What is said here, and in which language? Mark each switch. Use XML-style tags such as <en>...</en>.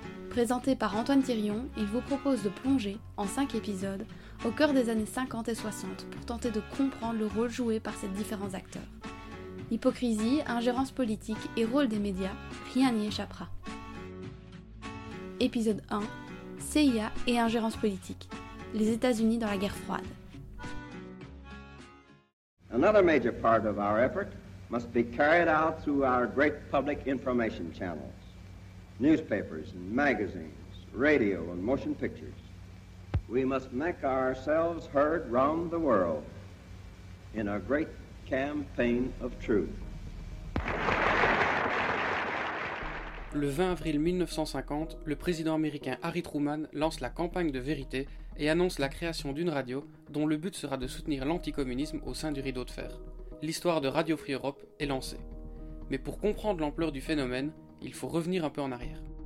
<fr>Présenté par Antoine Thirion, il vous propose de plonger, en 5 épisodes, au cœur des années 50 et 60 pour tenter de comprendre le rôle joué par ces différents acteurs. Hypocrisie, ingérence politique et rôle des médias, rien n'y échappera. Épisode 1, CIA et ingérence politique, les États-Unis dans la guerre froide.</fr> <en>Another major part of our effort must be carried out through our great public information channels, newspapers and magazines, radio and motion pictures. We must make ourselves heard round the world in a great campaign of truth.</en> <fr>Le 20 avril 1950, le président américain Harry Truman lance la campagne de vérité et annonce la création d'une radio dont le but sera de soutenir l'anticommunisme au sein du rideau de fer. L'histoire de Radio Free Europe est lancée. Mais pour comprendre l'ampleur du phénomène, il faut revenir un peu en arrière.</fr>